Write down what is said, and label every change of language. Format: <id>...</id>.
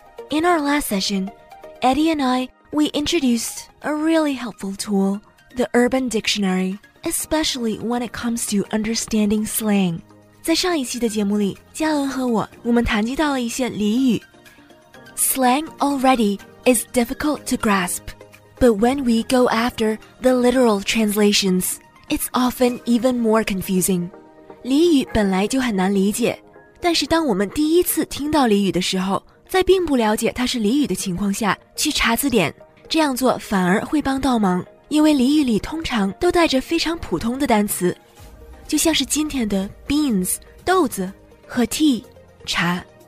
<en>In our last session, Eddie and I, we introduced a really helpful tool, the Urban Dictionary, especially when it comes to understanding slang.</en> <zh>在上一期的节目里，嘉恩和我们谈及到了一些俚语。</zh> <en>Slang already is difficult to grasp, but when we go after the literal translations, it's often even more confusing.</en> <zh>俚语本来就很难理解，但是当我们第一次听到俚语的时候，在并不了解它是俚语的情况下，去查字典，这样做反而会帮到忙，因为俚语里通常都带着非常普通的单词，就像是今天的 beans 豆子和 tea 茶。</zh>